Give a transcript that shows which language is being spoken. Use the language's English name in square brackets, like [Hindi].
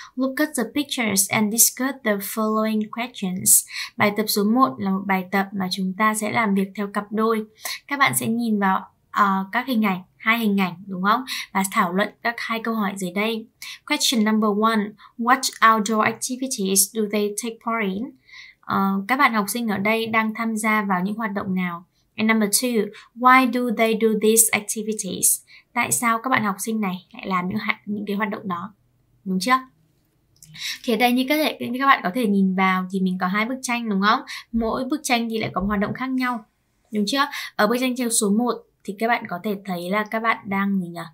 [English] Look at the pictures and discuss the following questions. [Vietnamese] Bài tập số 1 là một bài tập mà chúng ta sẽ làm việc theo cặp đôi. Các bạn sẽ nhìn vào các hình ảnh, hai hình ảnh đúng không? Và thảo luận các hai câu hỏi dưới đây. [English] Question number one, what outdoor activities do they take part in? [Vietnamese] Các bạn học sinh ở đây đang tham gia vào những hoạt động nào? [English] And number two, why do they do these activities? [Vietnamese] Tại sao các bạn học sinh này lại làm những cái hoạt động đó? Đúng chưa? Thì ở đây như các bạn có thể nhìn vào thì mình có hai bức tranh đúng không? Mỗi bức tranh thì lại có một hoạt động khác nhau. Đúng chưa? Ở bức tranh số 1 thì các bạn có thể thấy là các bạn đang gì nhỉ?